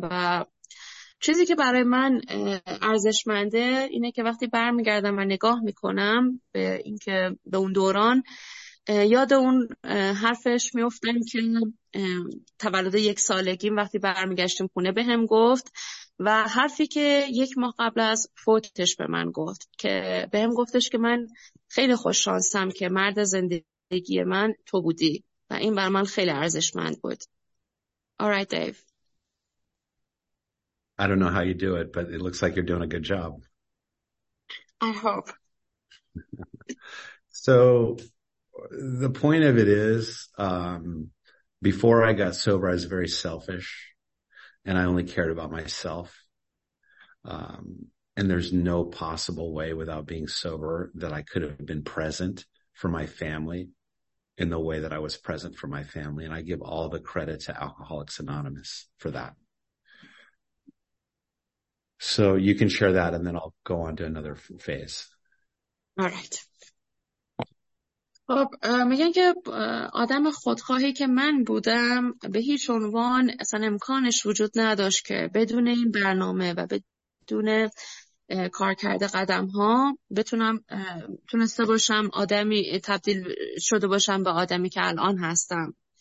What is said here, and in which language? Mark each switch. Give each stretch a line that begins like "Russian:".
Persian: و چیزی که برای من ارزشمنده اینه که وقتی برمیگردم و نگاه میکنم به این که به اون دوران، یاد اون حرفش میافتم که تولد یک سالگیم وقتی برمیگشتیم خونه به هم گفت، و حرفی که یک ماه قبل از فوتش به من گفت که بهم گفتش که من خیلی خوششانسم که مرد زندگی من تو بودی، و این بر من خیلی ارزشمند بود.
English: All right, Dave. I don't know how you do it, but it looks like you're doing a good job. I hope. So the point of it is, before I got sober, I was very selfish. And I only cared about myself. And there's no possible way without being sober that I could have been present for my family in the way that I was present for my family. And I give all the credit to Alcoholics Anonymous for that. So you can share that and then I'll go on to another phase. All right.
Persian: خب میگن که آدم خودخواهی که من بودم به هیچ عنوان اصلا امکانش وجود نداشت که بدون این برنامه و بدون کار کرده قدم ها بتونم تونسته باشم آدمی تبدیل شده باشم به آدمی که الان هستم.